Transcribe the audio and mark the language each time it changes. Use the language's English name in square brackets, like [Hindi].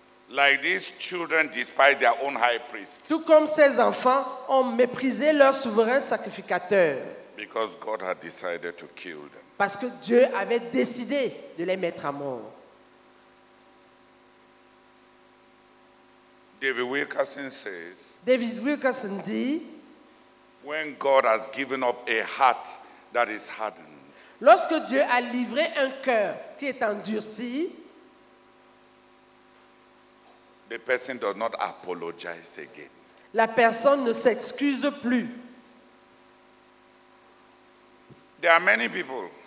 [English] Like these children despised their own high priest. [French] Tout comme ses enfants ont méprisé leur souverain sacrificateur. [English] Because God had decided to kill them. [French] Parce que Dieu avait décidé de les mettre à mort. David Wilkerson dit, [English] when God has given up a heart that is hardened, [French] lorsque Dieu a livré un cœur qui est endurci, [English] the person does not apologize again. [French] La personne ne s'excuse plus. [English] There are many people.